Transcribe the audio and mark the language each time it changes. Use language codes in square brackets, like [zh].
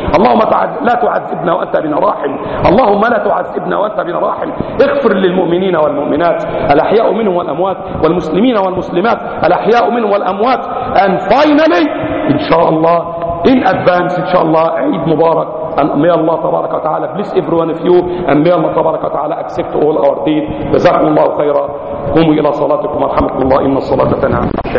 [ar] اللهم لا تعذبنا وأنت بنا راحم. اللهم لا تعذبنا وأنت بنا راحم. اغفر للمؤمنين والمؤمنات الأحياء منهم والأموات والمسلمين والمسلمات الأحياء منهم والأموات. [en] And finally [ar] إن شاء الله [en] in advance [ar] إن شاء الله عيد مبارك. [en] And may Allah [ar] تبارك وتعالى [en] bless everyone of you and may Allah تبارك وتعالى accept all our deed. [ar] جزاكم الله خيرا. قوموا إلى صلاتكم ورحمكم الله إن الصلاة تنعم.